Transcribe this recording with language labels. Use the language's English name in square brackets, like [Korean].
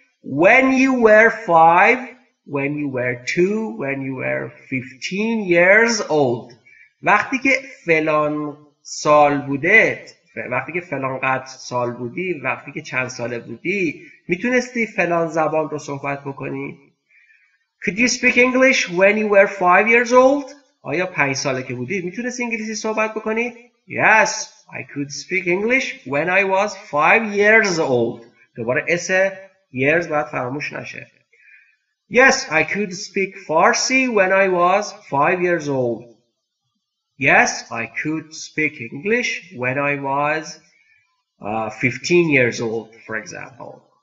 [English] When you were 5, when you were 2, when you were 15 years old. [Persian] وقتی که فلان سال بودت، وقتی که فلان قد سال بودی، وقتی که چند ساله بودی، میتونستی فلان زبان رو صحبت بکنی؟ [English] Could you speak English when you were 5 years old? [Persian] آیا 5 ساله که بودی میتونستی انگلیسی صحبت بکنی؟ [English] Yes, I could speak English when I was 5 years old. [Persian] دوباره اس years باید فراموش نشه. [English] Yes, I could speak Farsi when I was 5 years old. Yes, I could speak English when I was 15 years old, for example.